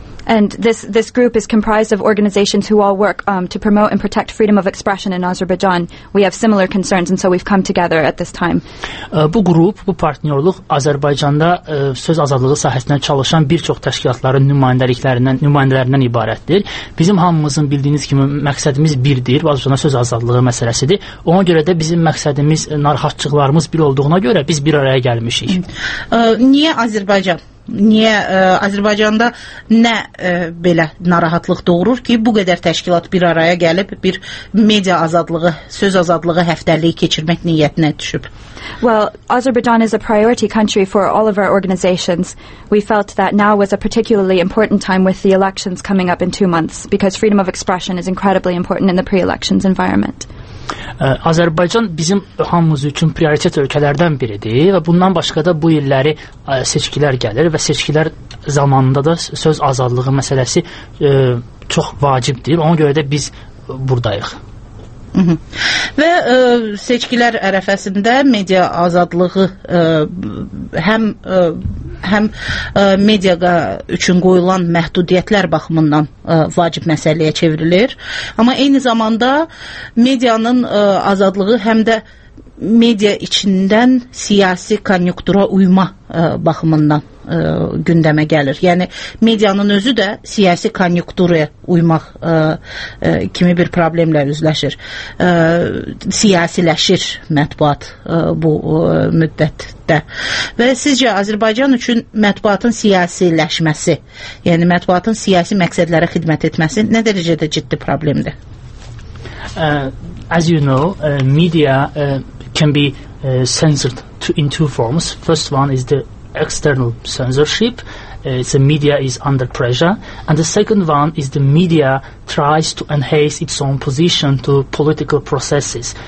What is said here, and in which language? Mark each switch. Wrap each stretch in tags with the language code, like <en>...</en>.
<en>And this group is comprised of organizations who all work to promote and protect freedom of expression in Azerbaijan. We have similar concerns and so we've come together at this time.</en> <az>Bu grup, bu partnyorluq Azərbaycanda söz azadlığı sahəsində çalışan bir çox təşkilatların nümayəndələrindən ibarətdir. Bizim hamımızın bildiyiniz kimi məqsədimiz birdir, Azərbaycanda söz azadlığı məsələsidir. Ona görə də bizim məqsədimiz, narahatçılıqlarımız bir olduğuna görə biz bir araya gəlmişik. Niyə Azərbaycan? Niyə Azərbaycanda nə belə narahatlıq doğurur ki, bu qədər təşkilat bir araya gəlib bir media azadlığı, söz azadlığı həftəliyi keçirmək niyyətinə düşüb? Well, Azerbaijan is a priority country for all of our organizations. We felt that now was a particularly important time with the elections coming up in 2 months because freedom of expression is incredibly important in the pre-elections environment. Azərbaycan bizim hamımız üçün prioritet ölkələrdən biridir və bundan başqa da bu illəri seçkilər gəlir və seçkilər zamanında da söz azadlığı məsələsi çox vacibdir. Ona görə də biz buradayıq. Və seçkilər ərəfəsində media azadlığı həm media üçün qoyulan məhdudiyyətlər baxımından vacib məsələyə çevrilir. Amma eyni zamanda medianın azadlığı həm də media içindən siyasi konyunktura uyma baxımından gündəmə gəlir. Yəni, medianın özü də siyasi konyunktura uymaq kimi bir problemlə üzləşir. Siyasiləşir mətbuat bu müddətdə. Və sizcə, Azərbaycan üçün mətbuatın siyasiləşməsi, yəni mətbuatın siyasi məqsədlərə xidmət etməsi nə dərəcədə ciddi problemdir?</az> <en>As you know, media can be censored in two forms. First one is the external censorship. It's the media is under pressure. And the second one is the media tries to enhance its own position to political processes.</en>